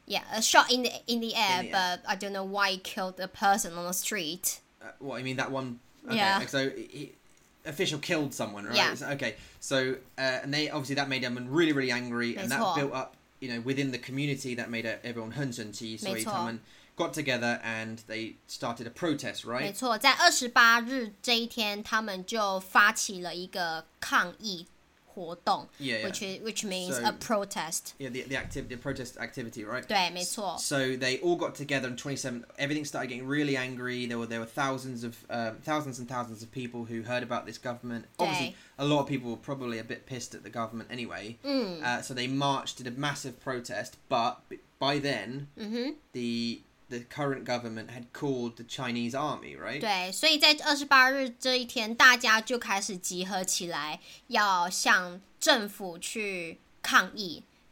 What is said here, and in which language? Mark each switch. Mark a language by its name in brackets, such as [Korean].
[English] Yeah, a shot in the air, but I don't know why he killed a person on the street. What, you mean that one? Okay, yeah. So, he, official killed someone, right? Yeah. So, okay, so, and they, obviously that made everyone really, really angry. And that built up, you know, within the community, that made everyone [Chinese] 很生气. [English] So, got together and they started a protest, right? [Chinese] 没错，在二十八日这一天，他们就发起了一个抗议活动 [English] which means so, a protest. Yeah, the protest activity, right? [Chinese] 对，没错。 [English] So they all got together on 27th. Everything started getting really angry. There were thousands and thousands of people who heard about this government. Obviously, a lot of people were probably a bit pissed at the government anyway. So they marched, did a massive protest, but by then, the current government had called the Chinese army, right? [Chinese] 对，所以在二十八日这一天，大家就开始集合起来，要向政府去抗议。